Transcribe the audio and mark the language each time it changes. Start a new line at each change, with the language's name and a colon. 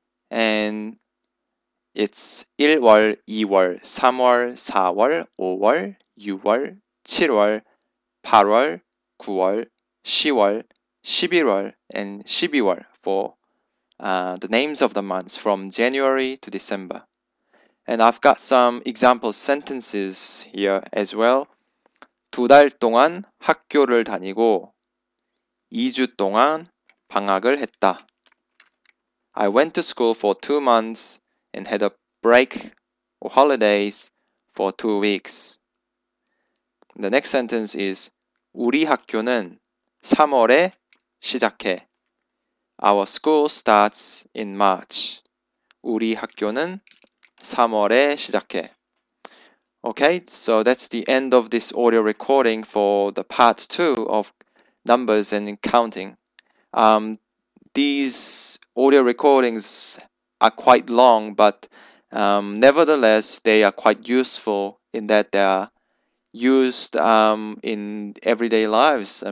English: And it's
Korean: 1월, 2월, 3월, 4월, 5월, 6월, 7월, 8월, 9월, 10월, 11월, and 12월
English: for the names of the months from January to December. And I've got some example sentences here as well.
Korean: 두달 동안 학교를 다니고 2주 동안 방학을 했다.
English: I went to school for 2 months and had a break or holidays for 2 weeks. The next sentence is
Korean: 우리 학교는 3월에 시작해.
English: Our school starts in March.
Korean: 우리 학교는 3월에 시작해.
English: Okay, so that's the end of this audio recording for the part 2 of numbers and counting. These audio recordings are quite long, but nevertheless, they are quite useful in that they are used in everyday lives.